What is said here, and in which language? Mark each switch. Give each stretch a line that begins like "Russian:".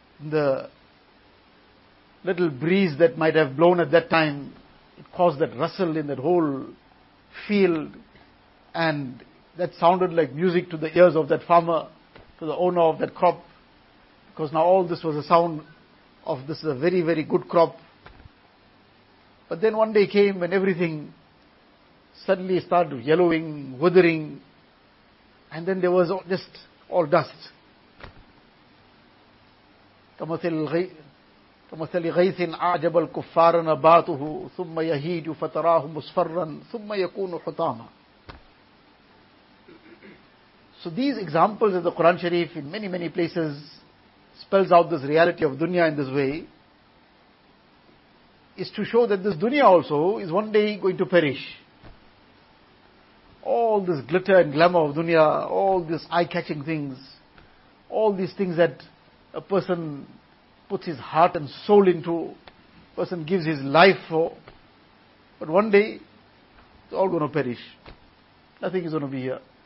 English: the little breeze that might have blown at that time, it caused that rustle in that whole field, and that sounded like music to the ears of that farmer, to the owner of that crop, because now all this was a sound of this is a very, very good crop. But then one day came when everything suddenly started yellowing, withering, and then there was just all dust.
Arabic: كمثل غيث أعجب الكفار نباته ثم يهيج فتراه مصفرا ثم يكون حطاما.
English: So these examples of the Quran Sharif in many, many places spells out this reality of dunya in this way, is to show that this dunya also is one day going to perish. All this glitter and glamour of dunya, all these eye-catching things, all these things that a person puts his heart and soul into, person gives his life for, but one day it's all going to perish. Nothing is going to be here.